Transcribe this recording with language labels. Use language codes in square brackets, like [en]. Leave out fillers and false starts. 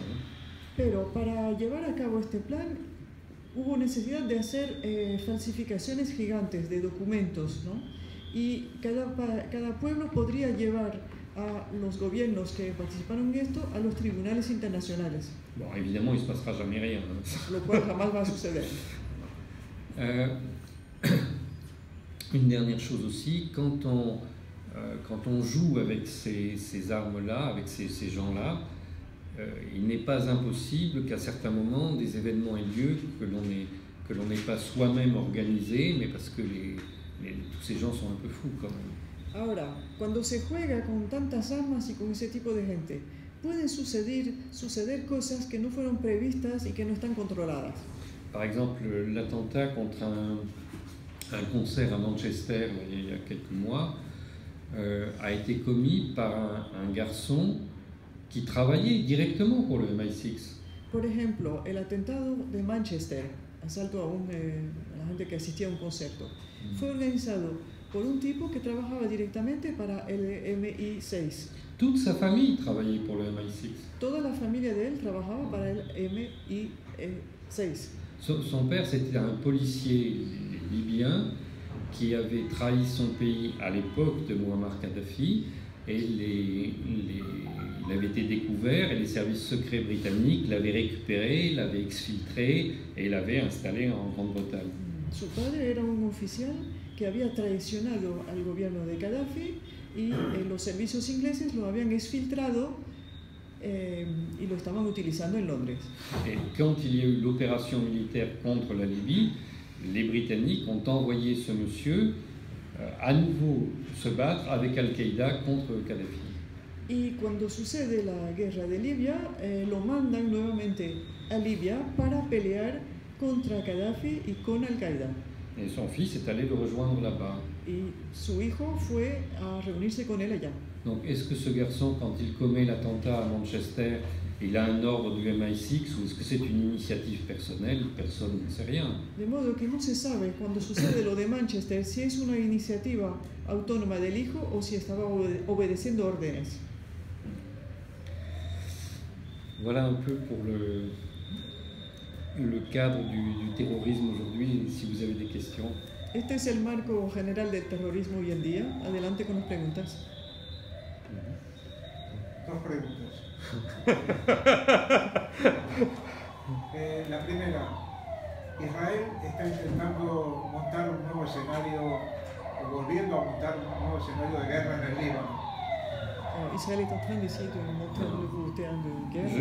[es] Hein? Pero para llevar a cabo este plan hubo necesidad de hacer falsificaciones gigantes de documentos, ¿no? Y cada pueblo podría llevar a los gobiernos que participaron en esto a los tribunales internacionales. [fr] Bon, évidemment, il se passera jamais rien. Hein. [es] Lo cual jamás va a suceder. [fr] Une dernière chose aussi, quand on joue avec ces armes-là, avec ces gens-là, il n'est pas impossible qu'à certains moments des événements aient lieu que l'on n'ait pas soi-même organisé, mais parce que tous ces gens sont un peu fous quand même. [es] Ahora, cuando se juega con tantas armas y con ese tipo de gente, pueden suceder cosas que no fueron previstas y que no están controladas. [fr] Par exemple, l'attentat contre un concert à Manchester il y a quelques mois a été commis par un garçon qui travaillait directement pour le MI6. [es] Por ejemplo, el atentado de Manchester, asalto a la gente que asistía a un concierto, fue organizado por un tipo que trabajaba directamente para el MI6. [fr] Toute sa famille travaillait pour le MI6. [es] Toda la familia de él trabajaba para el MI6. [fr] Son père, c'était un policier libyen qui avait trahi son pays à l'époque de Muammar Kadhafi. Et il avait été découvert et les services secrets britanniques l'avaient récupéré, l'avaient exfiltré et l'avaient installé en Grande-Bretagne. [es] Su padre era un oficial que había traicionado al gobierno de Gaddafi y los servicios ingleses lo habían exfiltrado y lo estaban utilizando en Londres. [fr] Et quand il y a eu l'opération militaire contre la Libye, les Britanniques ont envoyé ce monsieur à nouveau se battre avec Al-Qaïda contre Kadhafi. [es] Y cuando sucede la guerra de Libia, lo mandan nuevamente a Libia para pelear contra Kadhafi y con Al-Qaïda. [fr] Et son fils est allé le rejoindre là-bas. [es] Y su hijo fue a reunirse con él allá. [fr] Donc est-ce que ce garçon, quand il commet l'attentat à Manchester, il a un ordre du MI6 ou est-ce que c'est une initiative personnelle? Personne ne sait rien. [es] De modo que no se sabe cuando sucede lo de Manchester si es una iniciativa autónoma del hijo o si estaba obedeciendo órdenes. [fr] Voilà un peu pour le cadre du terrorisme aujourd'hui, si vous avez des questions. [es] Este es el marco general del terrorismo hoy en día. Adelante con las preguntas. Dos preguntas. La primera, Israel está intentando montar un nuevo escenario, o volviendo a montar un nuevo escenario de guerra en el Líbano. [fr] Israël est en train d'essayer de monter un nouveau terrain de guerre.